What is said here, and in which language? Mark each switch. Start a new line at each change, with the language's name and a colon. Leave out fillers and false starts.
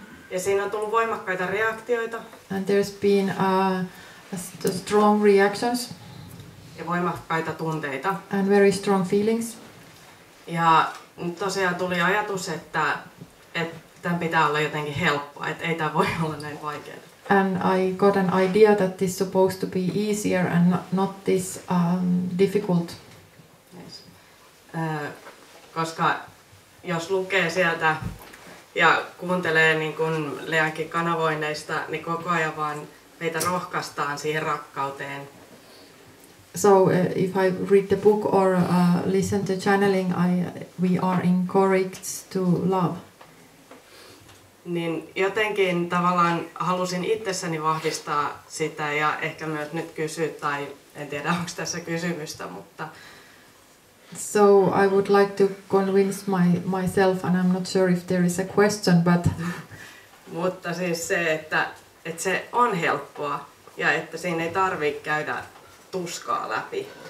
Finnish: Ja siinä on tullut voimakkaita reaktioita.
English: And there's been strong reactions.
Finnish: Ja voimakkaita tunteita.
English: And very strong feelings.
Finnish: Ja nyt tosiaan tuli ajatus, että tämän pitää olla jotenkin helppoa, että ei tämä voi olla näin vaikeaa.
English: And I got an idea that this is supposed to be easier and not this difficult. Yes.
Finnish: Koska jos lukee sieltä ja kuuntelee niin kuin Leankin kanavoineista, niin koko ajan vaan meitä rohkaistaan siihen rakkauteen.
English: So if I read the book or listen to channeling, we are encouraged to love.
Finnish: Niin jotenkin tavallaan halusin itsessäni vahvistaa sitä ja ehkä myös nyt kysyä, tai en tiedä onko tässä kysymystä, mutta...
English: So I would like to convince myself, and I'm not sure if there is a question, but...
Finnish: Mutta siis se, että se on helppoa ja että siinä ei tarvitse käydä tuskaa läpi.